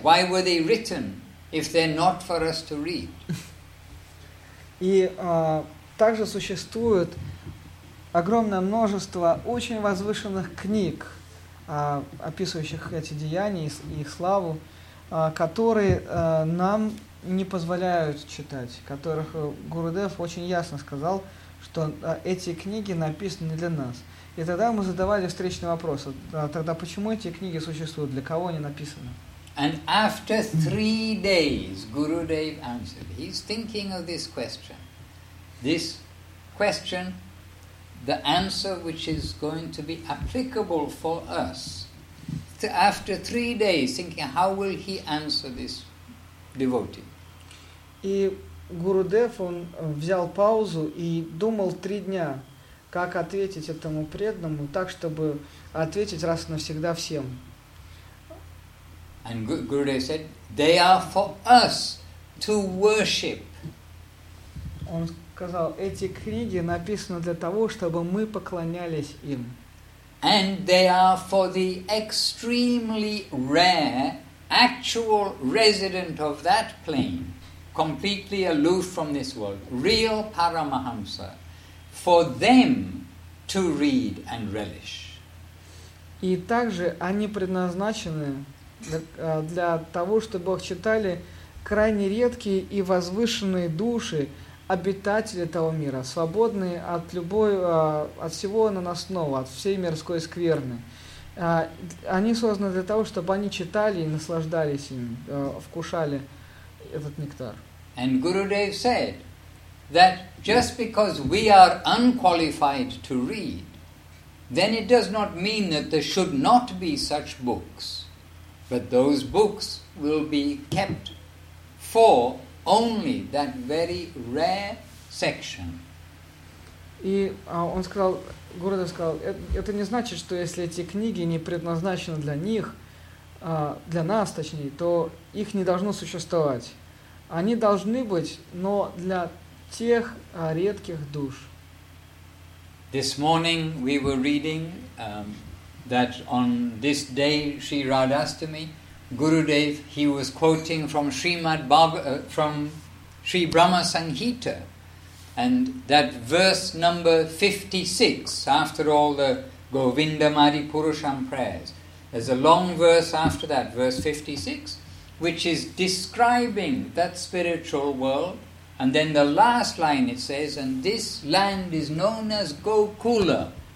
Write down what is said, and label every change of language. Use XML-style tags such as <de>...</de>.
<en>Why were they written if they're not for us to read?</en> <ru>И также существует огромное множество очень возвышенных книг, описывающих эти деяния и их славу, которые нам не позволяют читать, которых Гурудев очень ясно сказал, что эти книги написаны для нас. И тогда мы задавали встречный вопрос, тогда почему эти книги существуют, для кого они написаны?</ru> <en>And after three days, Gurudev answered. He's thinking of this question. This question, the answer which is going to be applicable for us. After three days, thinking, how will he answer this devotee?</en> <ru>И Гурудев, он взял паузу и думал три дня, как ответить этому преданному так, чтобы ответить раз и навсегда всем.</ru> <en>And Gurudev said, they are for us to worship.</en> <ru>Он сказал, эти книги написаны для того, чтобы мы поклонялись им.</ru> <en>And they are for the extremely rare actual resident of that plane, completely aloof from this world, real Paramahamsa, for them to read and relish.</en> <ru>И также они предназначены для того, чтобы их читали крайне редкие и возвышенные души, обитатели того мира, свободные от любой, от всего наносного, от всей мирской скверны. Они созданы для того, чтобы они читали и наслаждались им, вкушали этот нектар.</ru> <en>And Gurudev said that just because we are unqualified to read, then it does not mean that there should not be such books. But those books will be kept for only that very rare section.</en> <ru>И он сказал, Гурудев сказал, это не значит, что если эти книги не предназначены для них, для нас, точнее, то их не должно существовать. Они должны быть, но для тех редких душ.</ru> <en>This morning we were reading that on this day Sri Radhastami, Gurudev, he was quoting from Srimad Bhagavatam, from Sri Brahma Sanghita, and that verse number 56, after all the Govinda Madi Purusham prayers, there's a long verse after that, verse 56, which is describing that spiritual world, and then the last line it says, and this land is known as Gokula.</en>